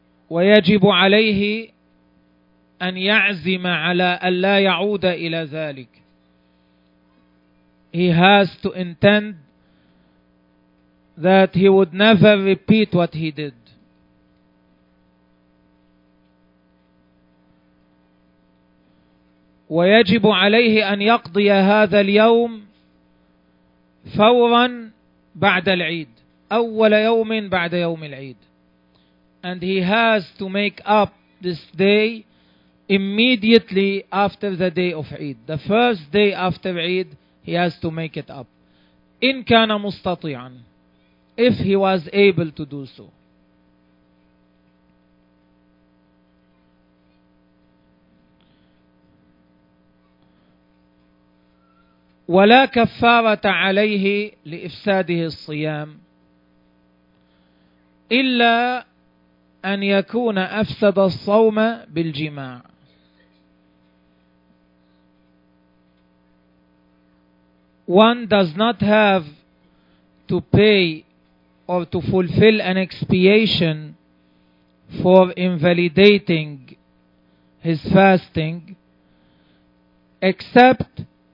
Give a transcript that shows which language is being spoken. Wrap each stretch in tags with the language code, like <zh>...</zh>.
<ar>ويجب عليه أن يعزم على أن لا يعود إلى ذلك.</ar> <en>He has to intend that he would never repeat what he did.</en> <ar>ويجب عليه أن يقضي هذا اليوم فورا بعد العيد, أول يوم بعد يوم العيد.</ar> <en>And he has to make up this day immediately after the day of Eid. The first day after Eid, he has to make it up.</en> <ar>إن كان مستطيعا,</ar> <en>if he was able to do so.</en> <ar>ولا كفارة عليه لإفساده الصيام إلا أن يكون أفسد الصوم بالجماع.</ar> <en>One does not have to pay or to fulfill an expiation for invalidating his fasting except</en>